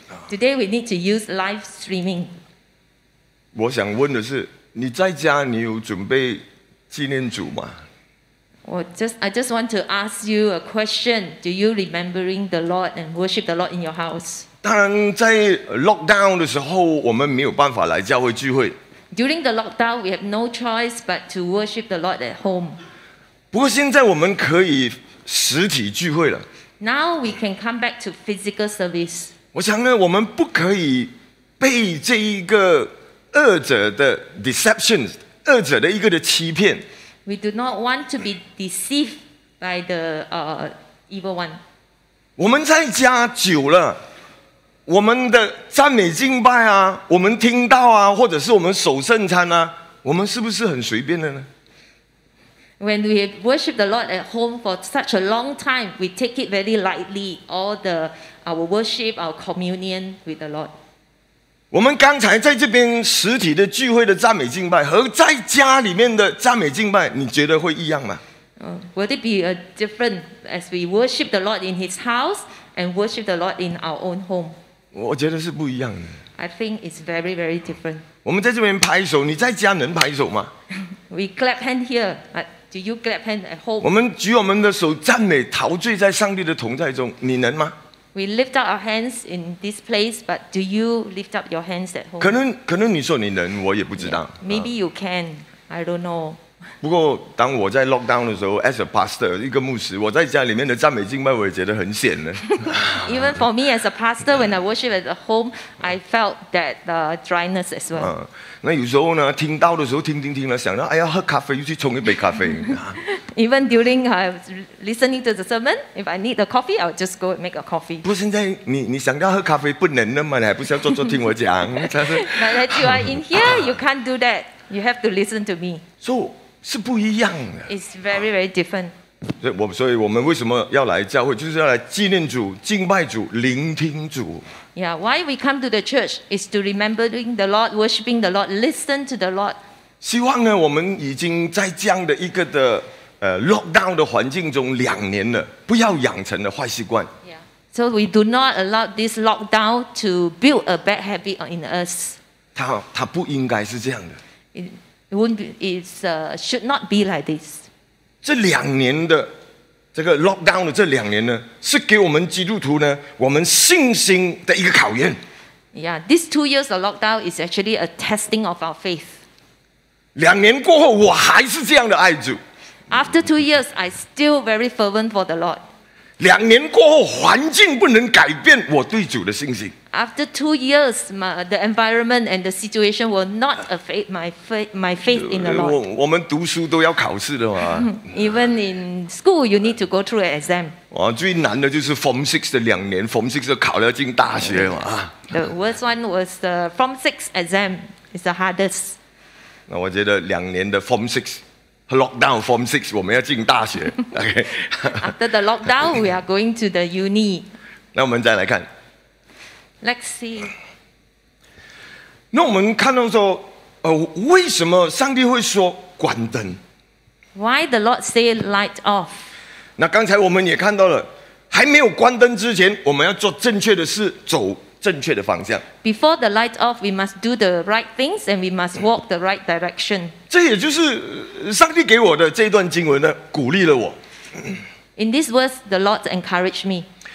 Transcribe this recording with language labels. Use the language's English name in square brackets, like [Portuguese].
[English] Today we need to use live streaming. [Chinese] 我想问的是，你在家你有准备纪念主吗？ [English] I just want to ask you a question. Do you remembering the Lord and worship the Lord in your house? [Chinese] 当然，在 lockdown 的时候，我们没有办法来教会聚会。 [English] During the lockdown, we have no choice but to worship the Lord at home. [Chinese] 不过现在我们可以实体聚会了。 [English] Now we can come back to physical service. [Chinese] 我想呢，我们不可以被这一个恶者的 deception， 恶者的一个的欺骗。 [English] We do not want to be deceived by the evil one. [Chinese] 我们在家久了，我们的赞美敬拜啊，我们听到啊，或者是我们守圣餐啊，我们是不是很随便的呢？ [English] When we worship the Lord at home for such a long time, we take it very lightly, all the our worship, our communion with the Lord. [Chinese] 我们刚才在这边实体的聚会的赞美敬拜和在家里面的赞美敬拜，你觉得会一样吗？ [English] Would it be a different as we worship the Lord in His house and worship the Lord in our own home? [Chinese] 我觉得是不一样的。 [English] I think it's very, very different. [Chinese] 我们在这边拍手，你在家能拍手吗？ [English] We clap hand here. Do you clap hand at home? [Chinese] 我们举我们的手赞美，陶醉在上帝的同在中，你能吗？ [English] We lift up our hands in this place, but do you lift up your hands at home? [Chinese] 可能你说你能，我也不知道。 [English] Yeah, maybe you can. I don't know. [Chinese] 不过当我在 lockdown 的时候 [English] as a pastor [Chinese] 一个牧师我在家里面的赞美敬拜我也觉得很显呢。 [English] Even for me as a pastor when I worship at home I felt that dryness as well、啊、 [Chinese] 那有时候呢听到的时候听了想到哎呀喝咖啡又去冲一杯咖啡 [English] Even during listening to the sermon if I need a coffee I'll just go and make a coffee [Chinese] 不过现在 你想到喝咖啡不能了吗你还不是要坐坐听我讲 [English] But that you are in here you can't do that you have to listen to me [Chinese] So是不一样的。 [English] It's very, very different. [Chinese] 所以我们为什么要来教会，就是要来纪念主、敬拜主、聆听主。 [English] Yeah, why we come to the church is to remembering the Lord, worshiping the Lord, listen to the Lord. [Chinese] 希望呢，我们已经在这样的一个的lockdown 的环境中两年了，不要养成了坏习惯。 [English] Yeah. So we do not allow this lockdown to build a bad habit in us. [Chinese] 它不应该是这样的。 [English] It won't be. It's should not be like this. [Chinese] 这两年的这个 lockdown 的这两年呢，是给我们基督徒呢，我们信心的一个考验。 [English] Yeah, these 2 years of lockdown is actually a testing of our faith. [Chinese] 两年过后，我还是这样的爱主。 [English] After 2 years, I still very fervent for the Lord. [Chinese] 两年过后，环境不能改变我对主的信心。 [English] After 2 years, the environment and the situation will not affect my faith in the Lord. [Chinese] 我们读书都要考试的嘛。 [English] Even in school, you need to go through an exam. [Chinese] 最难的就是 Form 6的两年 ，Form 6就考了进大学嘛。 [English] The worst one was the Form 6 exam. It's the hardest. [Chinese] 那我觉得两年的 Form 6 lockdown Form 6我们要进大学。 [English] After the lockdown, we are going to the uni. [Chinese] 那我们再来看。 [English] Let's see. [Chinese] 那我们看到说，为什么上帝会说关灯 [English] ？Why the Lord say light off？ [Chinese] 那刚才我们也看到了，还没有关灯之前，我们要做正确的事，走正确的方向。 [English] Before the light off, we must do the right things and we must walk the right direction. [Chinese] 这也就是上帝给我的这段经文呢，鼓励了我。 [English] In this verse, the Lord encouraged me.